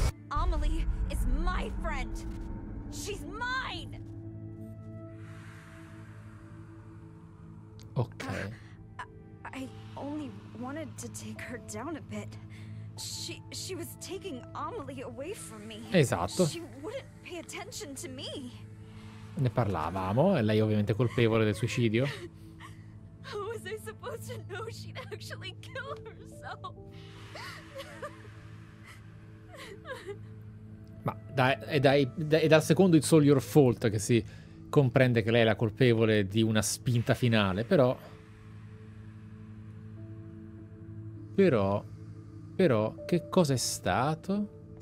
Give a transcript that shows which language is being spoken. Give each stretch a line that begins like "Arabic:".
English: Amelie is my friend. She's mine. Okay. I only wanted to take her down a bit. She was taking Amelie away from me.
Italian: Esatto.
English: She wouldn't pay attention to me.
Italian: Ne parlavamo e lei ovviamente colpevole del suicidio.
English: How was I supposed to know she'd actually kill herself?
Italian: Ma è dal secondo It's All Your Fault che si comprende che lei è la colpevole di una spinta finale, però. Però, che cosa è stato?